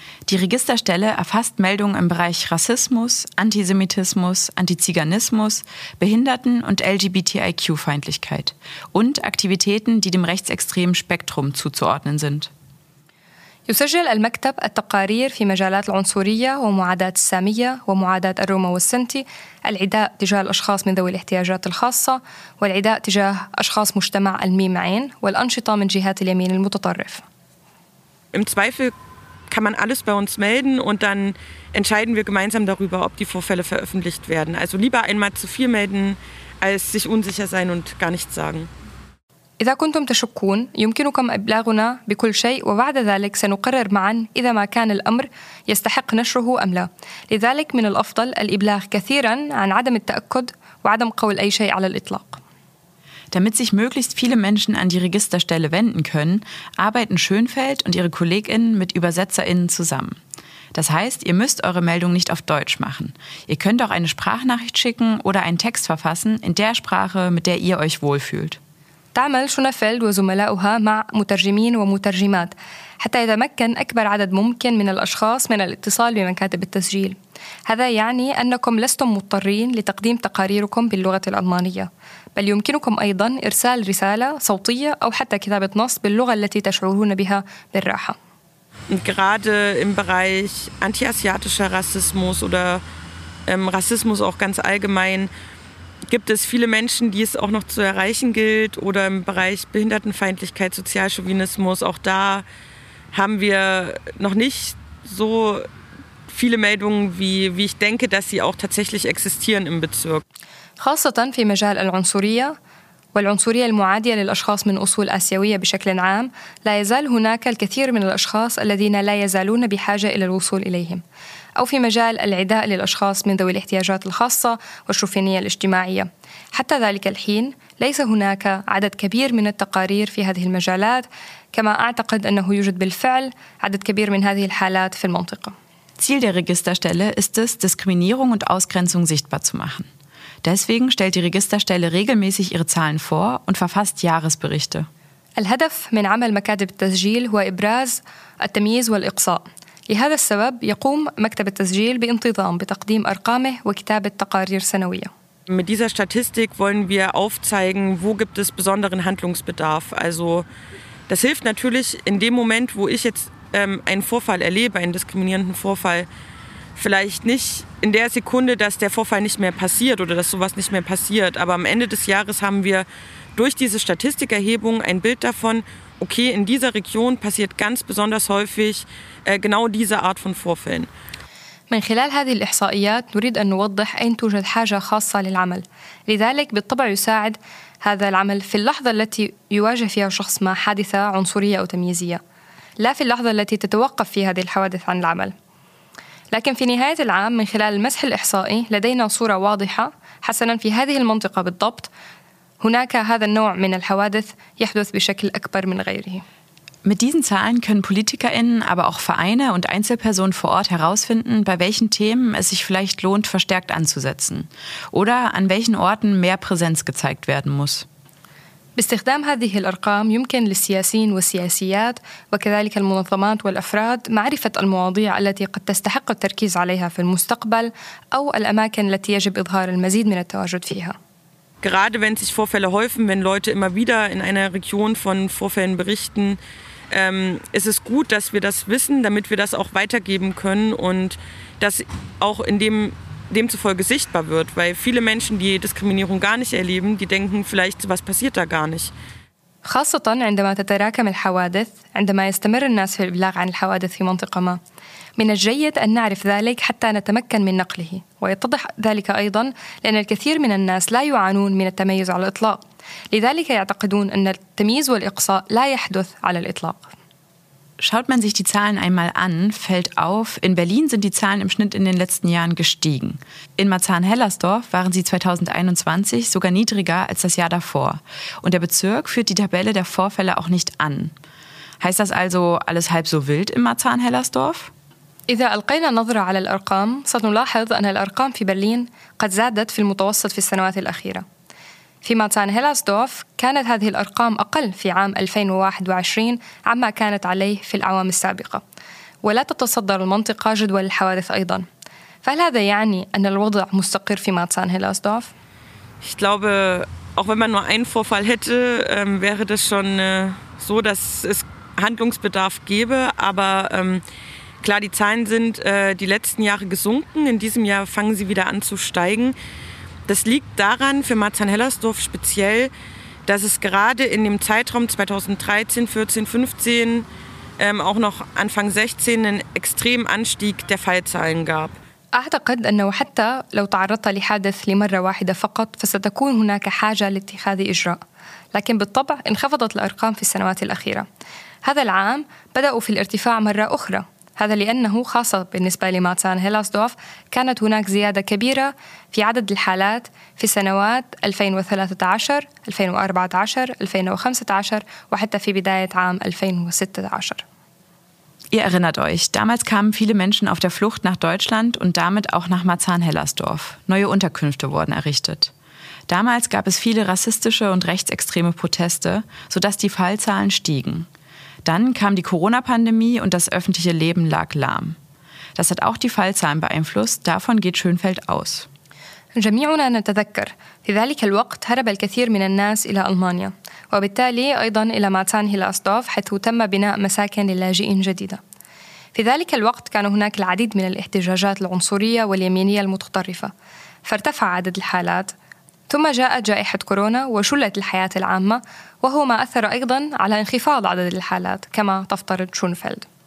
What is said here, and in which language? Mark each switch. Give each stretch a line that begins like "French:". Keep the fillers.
German: Die Registerstelle erfasst Meldungen im Bereich Rassismus, Antisemitismus, Antiziganismus, Behinderten- und LGBTIQ-Feindlichkeit und Aktivitäten, die dem rechtsextremen Spektrum zuzuordnen sind.
Arabic: يسجل المكتب التقارير في مجالات العنصرية ومعاداة السامية ومعاداة الروما والسنتي العداء تجاه الأشخاص من ذوي الاحتياجات الخاصة والعداء تجاه أشخاص مجتمع الميم عين والأنشطة من جهات اليمين المتطرف
German: Im Zweifel kann man alles bei uns melden und dann entscheiden wir gemeinsam darüber, ob die Vorfälle veröffentlicht werden. Also lieber einmal zu viel melden, als sich unsicher sein und gar nichts sagen.
Arabic: إذا كنتم تشكون يمكنكم إبلاغنا بكل شيء وبعد ذلك سنقرر معا إذا ما كان الأمر يستحق نشره أم لا لذلك من الأفضل الإبلاغ كثيرا عن عدم التأكد وعدم قول أي شيء على الإطلاق
German: Damit sich möglichst viele Menschen an die Registerstelle wenden können, arbeiten Schönfeld und ihre KollegInnen mit ÜbersetzerInnen zusammen. Das heißt, ihr müsst eure Meldung nicht auf Deutsch machen. Ihr könnt auch eine Sprachnachricht schicken oder einen Text verfassen in der Sprache, mit der ihr euch wohlfühlt.
Arabic: تعمل شونفيلد وزملاؤها مع مترجمين ومترجمات حتى يتمكن أكبر عدد ممكن من الأشخاص من الاتصال بمكاتب التسجيل هذا يعني أنكم لستم مضطرين لتقديم تقاريركم باللغة الألمانية بل يمكنكم أيضا إرسال رسالة صوتية أو حتى كتابة نص باللغة التي تشعرون بها بالراحة
German: Und gerade im Bereich antiasiatischer Rassismus oder ähm, Rassismus auch ganz allgemein gibt es viele Menschen, die es auch noch zu erreichen gilt. Oder im Bereich Behindertenfeindlichkeit, Sozialchauvinismus, auch da haben wir noch nicht so viele Meldungen, wie, wie ich denke, dass sie auch tatsächlich existieren im Bezirk.
Arabic: خاصة في مجال العنصرية والعنصرية المعادية للأشخاص من أصول آسيوية بشكل عام، لا يزال هناك الكثير من الأشخاص الذين لا يزالون بحاجة إلى الوصول إليهم. أو في مجال العداء للأشخاص من ذوي الاحتياجات الخاصة والشوفينية الاجتماعية. حتى ذلك الحين، ليس هناك عدد كبير من التقارير في هذه المجالات، كما أعتقد أنه يوجد بالفعل عدد كبير من هذه الحالات في المنطقة.
German: Ziel der Registerstelle ist es, Diskriminierung und Ausgrenzung sichtbar zu machen. Deswegen stellt die Registerstelle regelmäßig ihre Zahlen vor und verfasst Jahresberichte.
Arabic: الهدف من عمل مكاتب التسجيل هو إبراز التمييز والإقصاء لهذا السبب يقوم مكتب التسجيل بانتظام بتقديم أرقامه وكتابة تقارير سنوية
German: Mit dieser Statistik wollen wir aufzeigen, wo gibt es besonderen Handlungsbedarf. Also das hilft natürlich in dem Moment, wo ich jetzt ähm, einen Vorfall erlebe, einen diskriminierenden Vorfall, vielleicht nicht in der Sekunde, dass der Vorfall nicht mehr passiert oder dass sowas nicht mehr passiert. Aber am Ende des Jahres haben wir durch diese Statistikerhebung ein Bild davon, okay, in dieser Region passiert ganz besonders häufig äh, genau diese Art von Vorfällen.
Arabic: من خلال هذه الإحصائيات نريد أن نوضح أين توجد حاجة خاصة للعمل لذلك بالطبع يساعد هذا العمل في اللحظة التي يواجه فيها شخص ما حادثة عنصرية أو تمييزية لا في اللحظة التي تتوقف في هذه الحوادث عن العمل لكن في نهاية العام من خلال المسح الإحصائي لدينا صورة واضحة حسنا في هذه المنطقة بالضبط هناك هذا النوع من الحوادث يحدث بشكل أكبر من غيره
German: Mit diesen Zahlen können PolitikerInnen, aber auch Vereine und Einzelpersonen vor Ort herausfinden, bei welchen Themen es sich vielleicht lohnt, verstärkt anzusetzen oder an welchen Orten mehr Präsenz gezeigt werden muss.
Arabic: باستخدام هذه الأرقام يمكن للسياسيين والسياسيات وكذلك المنظمات والأفراد معرفة المواضيع التي قد تستحق التركيز عليها في المستقبل أو الأماكن التي يجب إظهار المزيد من التواجد فيها.
German: Gerade wenn sich Vorfälle häufen, wenn Leute immer wieder in einer Region von Vorfällen berichten, ähm, ist es gut, dass wir das wissen, damit wir das auch weitergeben können und das auch in dem, demzufolge sichtbar wird. Weil viele Menschen, die Diskriminierung gar nicht erleben, die denken vielleicht, was passiert da gar nicht.
Arabic: خاصة عندما تتراكم الحوادث عندما يستمر الناس في الإبلاغ عن الحوادث في منطقة ما من الجيد أن نعرف ذلك حتى نتمكن من نقله ويتضح ذلك أيضا لأن الكثير من الناس لا يعانون من التميز على الإطلاق لذلك يعتقدون أن التمييز والإقصاء لا يحدث على الإطلاق
German: Schaut man sich die Zahlen einmal an, fällt auf, in Berlin sind die Zahlen im Schnitt in den letzten Jahren gestiegen. In Marzahn-Hellersdorf waren sie 2021 sogar niedriger als das Jahr davor. Und der Bezirk führt die Tabelle der Vorfälle auch nicht an. Heißt das also alles halb so wild in Marzahn-Hellersdorf?
Arabic: إذا ألقينا نظرة على الأرقام سنلاحظ أن الأرقام في برلين قد زادت في المتوسط في السنوات الأخيرة في ماتان هيلاسدورف كانت هذه الأرقام أقل في عام 2021 عما كانت عليه في الأعوام السابقة ولا تتصدر المنطقة جدول الحوادث أيضا فهل هذا يعني أن الوضع مستقر في ماتان هيلاسدورف؟
German: Ich glaube, auch wenn man nur einen Vorfall hätte, ähm, wäre das schon äh, so, dass es Handlungsbedarf gäbe. Aber ähm, klar, die Zahlen sind äh, die letzten Jahre gesunken. In diesem Jahr fangen sie wieder an zu steigen. Das liegt daran, für Marzahn-Hellersdorf speziell, dass es gerade in dem Zeitraum 2013, 14, 15, ähm, auch noch Anfang 16 einen extremen Anstieg der Fallzahlen gab.
Arabic: أعتقد أنه حتى لو تعرضت لحادث لمرة واحدة فقط فستكون هناك حاجة لاتخاذ إجراء لكن بالطبع انخفضت الأرقام في السنوات الأخيرة هذا العام بدأوا في الارتفاع مرة أخرى هذا لأنه خاصة بالنسبة لماتسان هيلاسدورف كانت هناك زيادة كبيرة في عدد الحالات في سنوات 2013 2014 2015 وحتى في بداية عام 2016
German: Ihr erinnert euch, damals kamen viele Menschen auf der Flucht nach Deutschland und damit auch nach Marzahn-Hellersdorf. Neue Unterkünfte wurden errichtet. Damals gab es viele rassistische und rechtsextreme Proteste, sodass die Fallzahlen stiegen. Dann kam die Corona-Pandemie und das öffentliche Leben lag lahm. Das hat auch die Fallzahlen beeinflusst, davon geht Schönfeld aus.
Arabic: جميعنا نتذكر في ذلك الوقت هرب الكثير من الناس إلى ألمانيا وبالتالي أيضا إلى ماتان هيلاسدورف حيث تم بناء مساكن للاجئين جديدة في ذلك الوقت كان هناك العديد من الاحتجاجات العنصرية واليمينية المتطرفة فارتفع عدد الحالات ثم جاءت جائحة كورونا وشلت الحياة العامة وهو ما أثر أيضا على انخفاض عدد الحالات كما تفترض شونفيلد